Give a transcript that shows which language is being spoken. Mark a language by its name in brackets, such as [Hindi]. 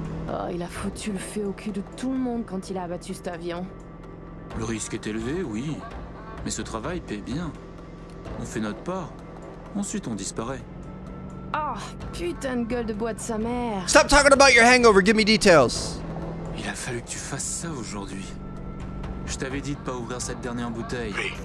[French] Oh, il a foutu le feu au cul de tout le monde quand il a abattu cet avion. Le risque est élevé, oui. Mais ce travail paie bien. On fait notre part. Ensuite, on disparaît. Oh, putain de gueule de bois de sa mère. [English] Stop talking about your hangover, give me details. [French] Il a fallu que tu fasses ça aujourd'hui. Je t'avais dit de pas ouvrir cette dernière bouteille.